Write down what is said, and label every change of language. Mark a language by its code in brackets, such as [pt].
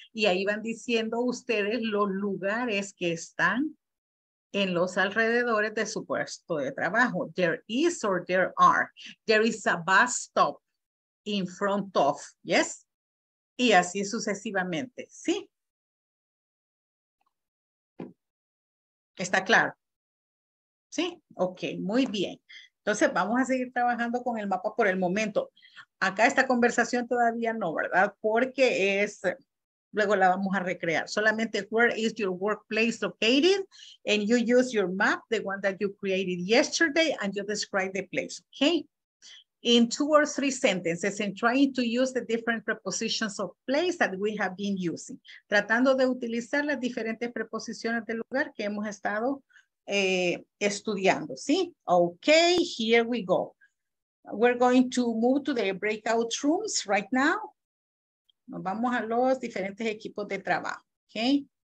[es] Y ahí van diciendo ustedes los lugares que están en los alrededores de su puesto de trabajo. [en] There is or there are. There is a bus stop in front of. [es] Yes? Y así sucesivamente. ¿Sí? ¿Está claro? ¿Sí? Ok, muy bien. Entonces vamos a seguir trabajando con el mapa por el momento. Acá esta conversación todavía no, ¿verdad? Porque es... Luego la vamos a recrear. Solamente, [en] where is your workplace located? And you use your map, the one that you created yesterday, and you describe the place, okay? In 2 or 3 sentences, and trying to use the different prepositions of place that we have been using. [es] Tratando de utilizar las diferentes preposiciones del lugar que hemos estado estudiando, ¿sí? [en] Okay, here we go. We're going to move to the breakout rooms right now. [es] Nos vamos a los diferentes equipos de trabajo, ¿ok?